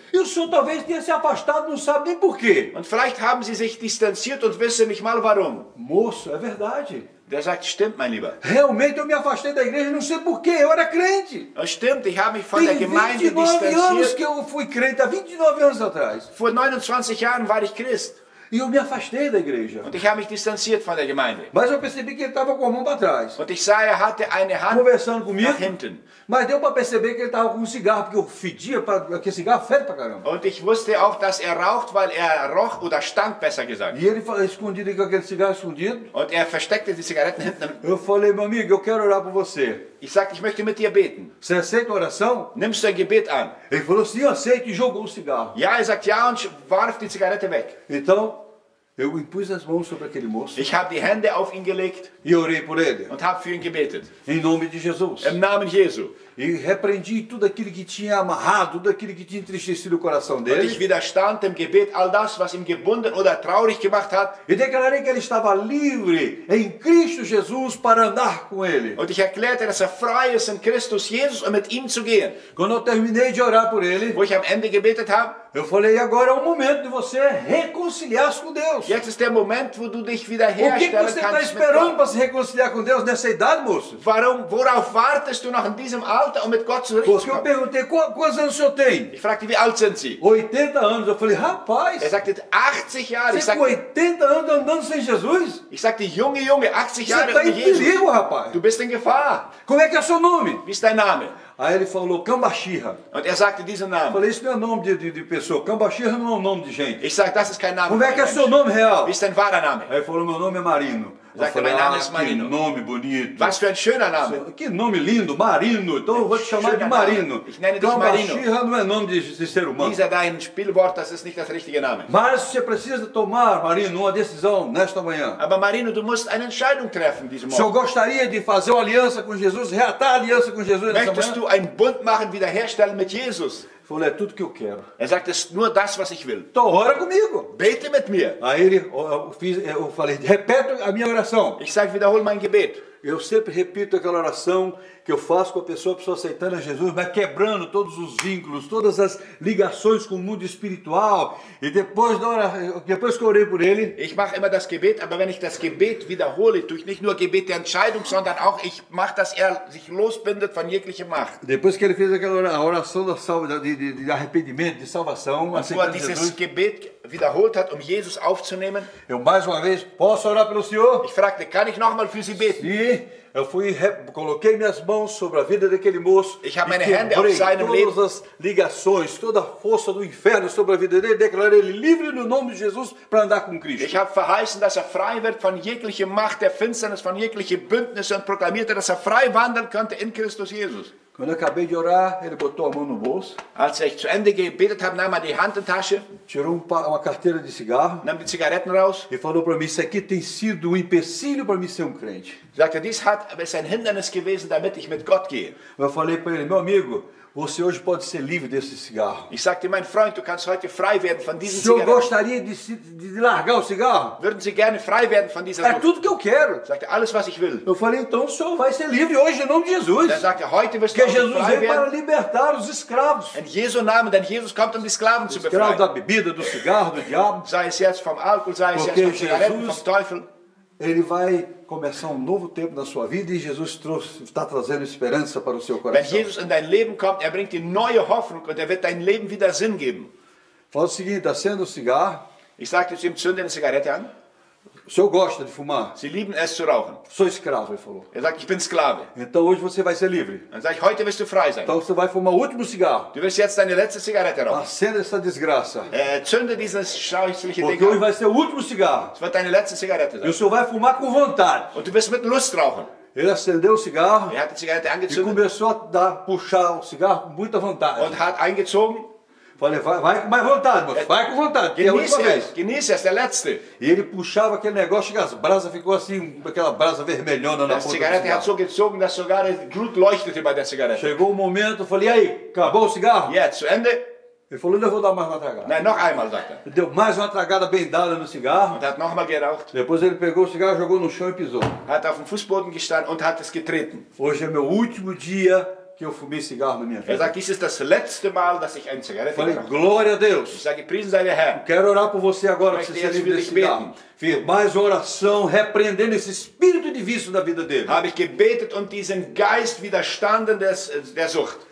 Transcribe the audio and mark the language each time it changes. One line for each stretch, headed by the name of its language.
Portuguese: E o senhor talvez tenha se afastado, não sabe nem porquê.
German: Und vielleicht haben Sie sich distanziert und wissen nicht mal warum.
Portuguese: Moço, é verdade.
German: Der sagt, stimmt, mein Lieber.
Portuguese: Realmente eu me afastei da igreja, não sei por quê, eu era crente.
German: Stimmt, ich habe mich von der Gemeinde distanziert.
Portuguese: 29 anos que eu fui crente, há 29 anos atrás.
German: Vor 29 Jahren war ich Christ.
Portuguese: E eu me afastei da igreja.
German: Und ich habe mich distanziert von der Gemeinde.
Portuguese: Mas eu percebi que ele estava com a mão para trás.
German: Und ich sah, er hatte eine Hand
Portuguese: conversando comigo.
German: Nach hinten.
Portuguese: Mas deu para perceber que ele estava com um cigarro, porque eu fedia, porque cigarro fede para caramba.
German: Und ich wusste auch, dass raucht, weil roch oder stank, besser gesagt.
Portuguese: E ele falou escondido com aquele cigarro escondido.
German: Und versteckte die Zigaretten hinten.
Portuguese: Eu falei, meu amigo, eu quero orar por você.
German: Ich sagte, ich möchte mit dir beten.
Portuguese: Você aceita a oração?
German: Nimmst du ein Gebet an?
Portuguese: Ele falou, sim, aceito, e jogou o cigarro.
German: Ja, er sagt, ja, und warf die Zigarette weg.
Portuguese: Então, eu impus as mãos sobre aquele moço.
German: Ich habe die Hände auf ihn gelegt.
Portuguese: E orei por ele.
German: Und habe für ihn gebetet.
Portuguese: Em nome de Jesus.
German: Im Namen Jesu.
Portuguese: E repreendi tudo aquilo que tinha amarrado, tudo aquilo que tinha entristecido o coração dele.
German: Und ich widerstand dem Gebet all das, was ihn gebunden oder traurig gemacht hat.
Portuguese: E declarei que ele estava livre em Cristo Jesus para andar com ele.
German: Und ich erklärte, dass frei ist in Christus Jesus, um mit ihm zu gehen.
Portuguese: Quando eu terminei de orar por ele,
German: wo ich am Ende gebetet habe,
Portuguese: eu falei, agora é o momento de você reconciliar-se com Deus.
German: Jetzt ist der Moment, wo du dich wiederherstellen kannst.
Portuguese: O que você está esperando para se reconciliar com Deus nessa idade, moço?
German: Warum, worauf wartest du noch in diesem Alter, um mit Gott zu reden?
Portuguese: Eu perguntei, quantos anos o senhor tem?
German: Ich fragte, wie alt sind Sie?
Portuguese: 80 anos. Eu falei, rapaz.
German: Er sagte, 80 Jahre.
Portuguese: Você com 80 anos andando sem Jesus?
German: Ich sagte, junge, junge, 80 Jahre.
Portuguese: Você está em perigo, rapaz.
German: Du bist in Gefahr.
Portuguese: Como é que é o seu nome?
German: Wie ist dein Name?
Portuguese: Aí ele falou, Kambashira.
German: Und sagte diesen Namen.
Portuguese: Falei, isso não é nome de pessoa. Kambashira não é um nome de gente.
German: Ich sag, das ist kein Name.
Portuguese: Como é que é seu nome real?
German: Wie ist dein wahrer Name?
Portuguese: Aí ele falou, meu nome é Marino.
German: Sagte, mein Name ist Marino.
Portuguese: Que nome bonito.
German: Was für ein schöner Name.
Portuguese: Que nome lindo, Marino. Então eu vou te chamar de Marino.
German: Ich nenne dich Marino.
Portuguese: Kambashira não é nome de ser humano.
German: Dieser dein Spielwort, das ist nicht das richtige Name.
Portuguese: Mas você precisa tomar, Marino, uma decisão nesta manhã.
German: Aber Marino, du musst eine Entscheidung treffen diesen Morgen.
Portuguese: Se eu gostaria de fazer uma aliança com Jesus, reatar a aliança com Jesus nesta manhã.
German: Möchtest du einen Bund machen, wiederherstellen mit Jesus?
Portuguese: Falei, é tudo que eu quero.
German: Er sagt, es ist nur das, was ich will.
Portuguese: Então, ora comigo.
German: Bete mit mir.
Portuguese: Aí ele, eu falei, repeto a minha oração.
German: Ich sage, wiederhole mein Gebet.
Portuguese: Eu sempre repito aquela oração que eu faço com a pessoa aceitando a Jesus, vai quebrando todos os vínculos, todas as ligações com o mundo espiritual. E depois da hora, depois que eu orei por ele,
German: ich mache immer das Gebet, aber wenn ich das Gebet wiederhole, tue ich nicht nur Gebet der Entscheidung, sondern auch ich mache, dass sich losbindet von jeglicher Macht.
Portuguese: Depois que ele fez aquela oração de arrependimento, de salvação, aceitando Jesus,
German: dieses Gebet wiederholt hat, um Jesus aufzunehmen.
Portuguese: Eu mais uma vez posso orar pelo senhor?
German: Ich fragte, kann ich noch mal für Sie beten?
Portuguese: Sim. Eu fui coloquei minhas mãos sobre a vida daquele moço.
German: Ich habe meine Hände auf seinem Leben.
Portuguese: Todas as ligações, toda a força do inferno sobre a vida dele, declarei ele livre no nome de Jesus para andar com Cristo.
German: Ich habe verheißen, dass frei wird von jeglicher Macht der Finsternis, von jeglicher Bündnisse und proklamierte, dass frei wandern könnte in Christus Jesus.
Portuguese: Quando eu acabei de orar, ele botou a mão no bolso.
German: Als ich zu Ende gebetet habe, nahm er die Hand in die Tasche.
Portuguese: Tirou uma carteira de cigarro.
German: Nahm die Zigaretten raus.
Portuguese: E falou para mim: "Isso aqui tem sido um empecilho para mim ser um crente."
German: Sagte, dies hat es ein Hindernis gewesen, damit ich mit Gott gehe.
Portuguese: Eu falei para ele: "Meu amigo, você hoje pode ser livre desse cigarro."
German: Ich sagte, mein Freund, du kannst heute frei werden von diesem Zigaretten.
Portuguese: Você gostaria de largar o cigarro?
German: Würden Sie gerne frei werden von dieser Sucht?
Portuguese: É tudo que eu quero.
German: Sagte, alles was ich will.
Portuguese: Eu falei: "Então, o senhor vai ser livre hoje em nome de Jesus."
German: Dann sagte, heute wirst du frei werden.
Portuguese: Porque Jesus veio para libertar os escravos.
German: In Jesu Namen, denn Jesus kommt, um die Sklaven zu befreien.
Portuguese: Escravo da bebida, do cigarro, do diabo.
German: Sei es jetzt vom Alkohol, sei es jetzt vom Zigaretten, vom Teufel.
Portuguese: Ele vai começar um novo tempo na sua vida e Jesus está trazendo esperança para o seu coração.
German: Wenn Jesus in dein Leben kommt, er bringt dir neue Hoffnung und er wird dein Leben wieder Sinn geben.
Portuguese: Fala o seguinte, acende o cigarro.
German: Ich sagte zu ihm, zünde eine Zigarette an.
Portuguese: O senhor gosta de fumar?
German: Sie lieben es zu rauchen.
Portuguese: Sou escravo, ele falou.
German: Er sagt, ich bin Sklave.
Portuguese: Então hoje você vai ser livre.
German: Er sagt, heute wirst du frei sein.
Portuguese: Então você vai fumar o último cigarro.
German: Du wirst jetzt deine letzte Zigarette rauchen.
Portuguese: Acende essa desgraça.
German: Zünde diesen scheußlichen Ding.
Portuguese: Porque hoje vai ser o último cigarro.
German: Es wird deine letzte Zigarette sein.
Portuguese: E o senhor vai fumar com vontade.
German: Und du wirst mit Lust rauchen.
Portuguese: Ele acendeu o cigarro.
German: Er hat die Zigarette angezündet.
Portuguese: E começou a puxar o cigarro com muita vontade.
German: Und hat eingezogen.
Portuguese: Falei, vai com mais vontade, moço. Vai com vontade.
German: Genieße es, der letzte.
Portuguese: E ele puxava aquele negócio e as brasas ficou assim, aquela brasa vermelhona na ponta.
German: A cigarette hat so gezogen, dass sogar Glut leuchtete bei der Zigarette.
Portuguese: Chegou o momento, falei, aí, acabou o cigarro?
German: Jetzt, zu Ende.
Portuguese: Ele falou, eu vou dar mais uma tragada.
German: Nein, noch einmal, sagte.
Portuguese: Deu mais uma tragada bem dada no cigarro.
German: Und hat nochmal geraucht.
Portuguese: Depois ele pegou o cigarro, jogou no chão e pisou.
German: Hat auf dem Fußboden gestanden und hat es getreten.
Portuguese: Hoje é meu último dia que eu fumei cigarro na minha vida.
German: Er sagt, dies ist das letzte Mal, dass ich ein Zigarette rauche.
Portuguese: Glória a Deus.
German: Ich sage, prisen Sie, Herr.
Portuguese: Eu quero orar por você agora, para você ser livre desse cigarro. Fiz mais uma oração, repreendendo esse espírito de vício na vida dele.
German: Habe ich gebetet und diesen Geist widerstanden der Sucht.